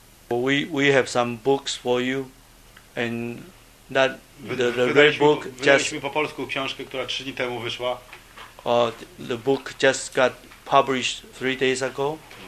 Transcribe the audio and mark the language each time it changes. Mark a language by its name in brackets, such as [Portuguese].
[English] We have some books for you, and that the red book just [Polish] po polsku książkę, która 3 dni temu wyszła. [English] The book just got published 3 days ago.